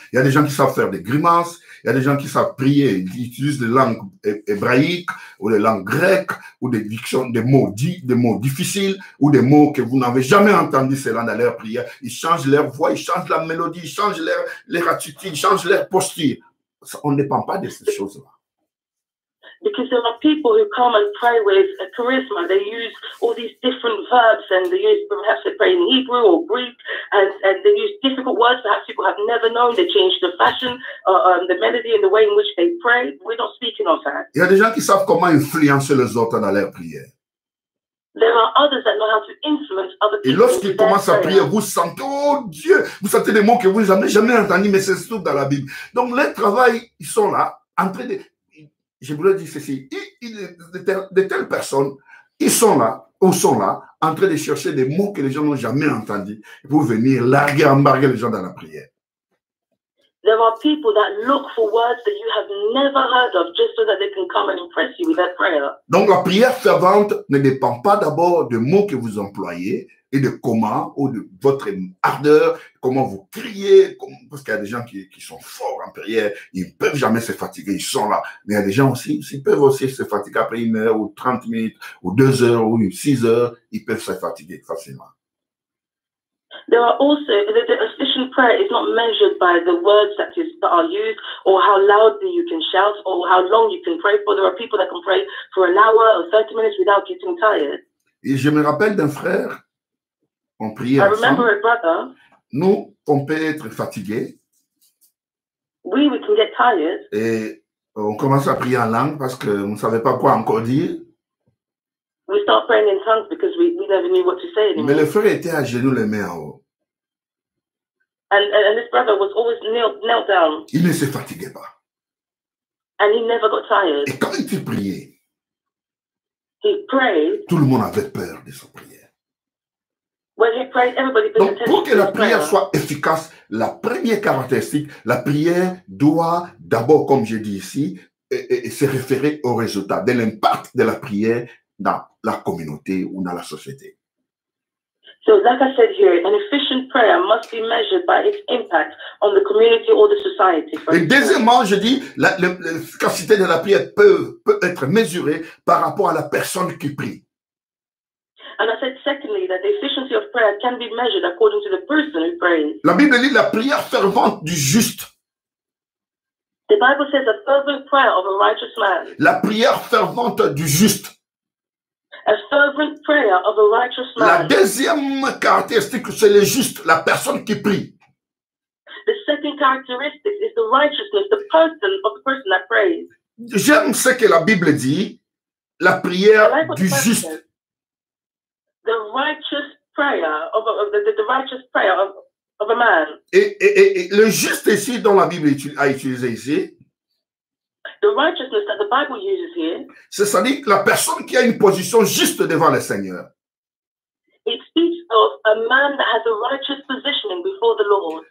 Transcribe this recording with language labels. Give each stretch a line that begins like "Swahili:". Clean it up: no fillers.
French: Il y a des gens qui savent faire des grimaces. Il y a des gens qui savent prier. Ils utilisent des langues hébraïques ou des langues grecques ou des dictions, des mots difficiles ou des mots que vous n'avez jamais entendu cela dans leur prière. Ils changent leur voix, ils changent la mélodie, ils changent leur attitude, ils changent leur posture. Ça, on ne dépend pas de ces choses-là.
English: Because there are people who come and pray with a charisma. They use all these different verbs and they use, perhaps they pray in Hebrew or Greek and they use difficult words. Perhaps people have never known. They change the fashion, the melody and the way in which they pray. We're not speaking of that.
French: Il y a des gens qui savent comment influencer les autres dans leur prière.
English: There are others that know how to influence other people.
French: Et lorsqu'ils commencent à prier, vous sentez, oh Dieu, vous sentez des mots que vous n'avez jamais entendus, mais c'est surtout dans la Bible. Donc, les travails, ils sont là, en train de... Je voulais dire ceci, de telles personnes, ils sont là, ou sont là, en train de chercher des mots que les gens n'ont jamais entendus pour venir larguer, embarguer les gens dans la prière.
English: There are people that look for words that you have never heard of just so that they can come and impress you with that prayer.
French: Donc la prière fervente ne dépend pas d'abord des mots que vous employez et de comment, ou de votre ardeur, comment vous criez, parce qu'il y a des gens qui sont forts en prière, ils ne peuvent jamais se fatiguer, ils sont là. Mais il y a des gens aussi, ils peuvent aussi se fatiguer après 1 heure, ou 30 minutes, ou 2 heures, ou 6 heures, ils peuvent se fatiguer facilement.
English: There are also the efficient prayer is not measured by the words that are used or how loudly you can shout or how long you can pray for. There are people that can pray for an hour or 30 minutes without getting tired.
French: Et je me rappelle d'un frère, on priait ensemble.
English: I remember a brother.
French: Nous, on peut être fatigués. Oui,
English: we can get tired.
French: Et on commence à prier en langue parce que on savait pas quoi encore dire.
English: We start praying in tongues because we never knew what to say anymore.
French: Mais le frère était à genoux les mains en haut.
English: And this brother was always knelt down.
French: Il ne se fatiguait pas.
English: And he never got tired.
French: Et quand il priait,
English: he prayed.
French: Tout le monde avait peur de sa prière.
English: When he prayed, everybody paid attention.
French: Donc, pour que la prière soit efficace, la première caractéristique, la prière doit d'abord, comme j'ai dit ici, et se référer au résultat, de l'impact de la prière dans la communauté ou dans la société.
English: So, like I said here, an efficient prayer must be measured by its impact on the community or the society.
French: Et deuxièmement, je dis, l'efficacité de la prière peut être mesurée par rapport à la personne qui prie.
English: And I said secondly that the efficiency of prayer can be measured according to the person who prays.
French: La Bible dit la prière fervente du juste.
English: The Bible says a fervent prayer of a righteous man.
French: La prière fervente du juste.
English: A fervent prayer of a righteous man.
French: La deuxième caractéristique, c'est le juste, la personne qui prie.
English: The second characteristic is the righteousness, the person of the person that prays.
French: J'aime ce que la Bible dit, la prière du juste.
English: The righteous prayer of the righteous prayer of a man.
French: Et le juste ici dont la Bible a utilisé ici.
English: The righteousness that the Bible uses here.
French: C'est-à-dire la personne qui a une position juste devant le Seigneur.
English: It speaks of a man that has a righteous positioning before the Lord.